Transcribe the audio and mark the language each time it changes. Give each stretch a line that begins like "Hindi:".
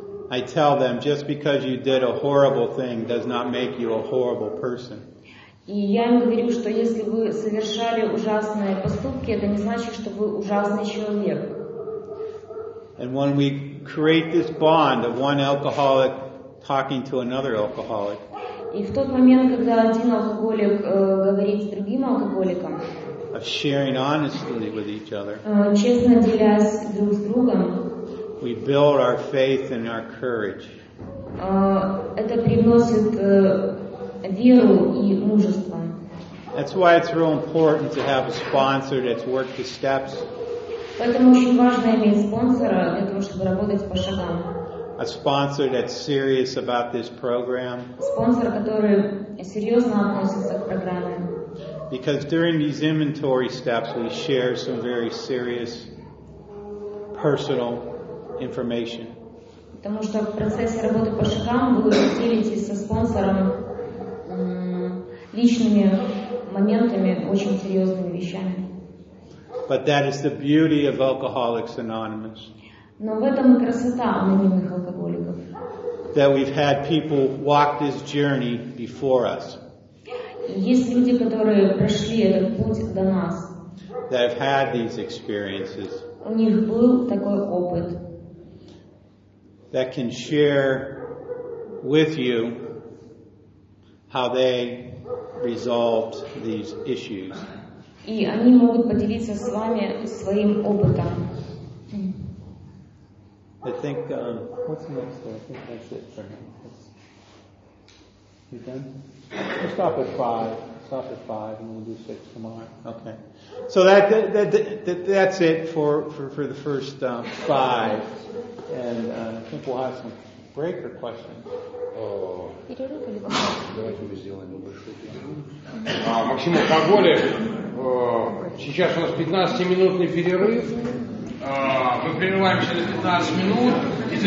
English: I tell them, just because you did a horrible thing does not make you a horrible person.
Russian: И я им говорю, что если вы совершали ужасные поступки, это не значит, что вы ужасный человек.
English: And when we create this bond of one alcoholic talking to another alcoholic,
Russian: и в тот момент, когда один алкоголик говорит с другим алкоголиком,
English: of sharing honestly with each other,
Russian: честно делясь друг с другом,
English: we build our faith and our courage.
Russian: Это привносит веру и мужество.
English: That's why it's real important to have a sponsor that's worked the steps.
Russian: Поэтому очень важно иметь спонсора для того, чтобы работать по шагам.
English: A sponsor that's serious about this program.
Russian: Спонсор, который серьезно относится к программе.
English: Because during these inventory steps, we share some very serious personal information.
Russian: Потому что в процессе работы по шагам вы делитесь со спонсором личными моментами, очень серьезными вещами.
English: But that is the beauty of Alcoholics Anonymous.
Russian: Но в этом и красота анонимных алкоголиков.
English: That we've had people walk this journey before us.
Russian: Есть люди, которые прошли этот путь до нас.
English: That have had these experiences.
Russian: У них был такой опыт.
English: That can share with you how they resolved these issues.
Russian: И они могут поделиться с вами своим опытом.
English: I think what's next? There? I think that's it for him. You done? We'll stop at five. Stop at five, and we'll do six tomorrow. Okay. So that's it for the first five. And I think we'll have some break or questions.
Russian: Давайте мы сделаем небольшую перерыв. Максим Алкоголев, сейчас у нас 15-минутный перерыв. Мы прерываемся на 15 минут.